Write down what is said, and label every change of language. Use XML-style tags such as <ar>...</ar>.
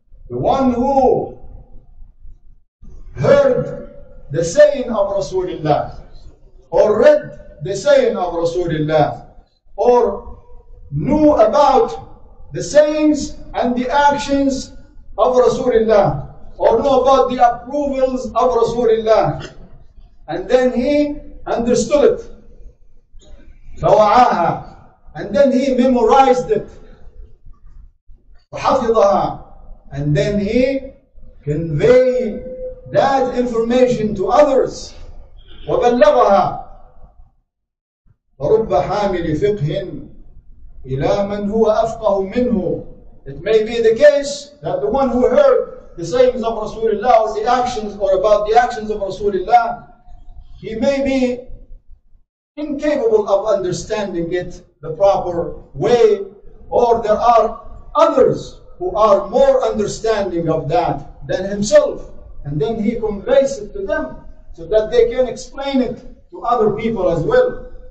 <en>The one who heard the saying of Rasulullah, or read the saying of Rasulullah, or knew about the sayings and the actions of Rasulullah, or knew about the approvals of Rasulullah, and then he understood it.</en> <ar>فوعاها.</ar> <en>And then he memorized it.</en> <ar>وحفظها.</ar> <en>And then he conveyed that information to others.</en> <ar>وبلغها. رب حامل فقه إلى من هو أفقه منه.</ar> <en>It may be the case that the one who heard the sayings of Rasulullah or the actions or about the actions of Rasulullah, he may be incapable of understanding it the proper way, or there are others who are more understanding of that than himself, and then he conveys it to them so that they can explain it to other people as well.</en>